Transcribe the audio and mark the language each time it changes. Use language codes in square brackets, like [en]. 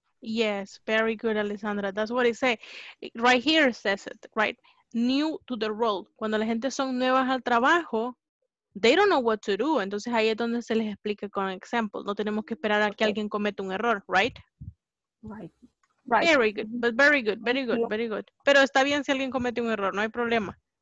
[en] Yes, very good, Alessandra. That's what it says. Right here says it, right? New to the role. [es] Cuando la gente son nuevas al trabajo, [en] they don't know what to do. [es] Entonces ahí es donde se les explica con examples. No tenemos que esperar a que alguien cometa un error, right? [en] Right. Very good, but very good, very good, very good. [es] Pero está bien si alguien comete un error, no hay problema.